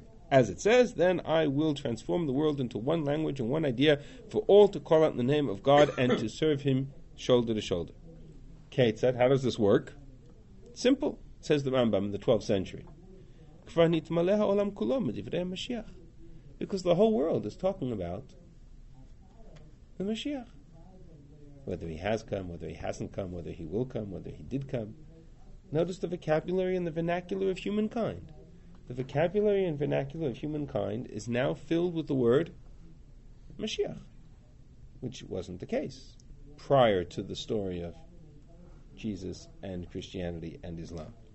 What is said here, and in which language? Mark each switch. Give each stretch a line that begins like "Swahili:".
English: As it says, then I will transform the world into one language and one idea for all to call out in the name of God and to serve Him shoulder to shoulder. Kate said, how does this work? Simple. Says the Rambam in the 12th century.
Hebrew: כבר נתמלא העולם כולו מדברי המשיח.
English: Because the whole world is talking about the Mashiach. Whether he has come, whether he hasn't come, whether he will come, whether he did come. Notice the vocabulary and the vernacular of humankind. The vocabulary and vernacular of humankind is now filled with the word Mashiach, which wasn't the case prior to the story of Jesus and Christianity and Islam.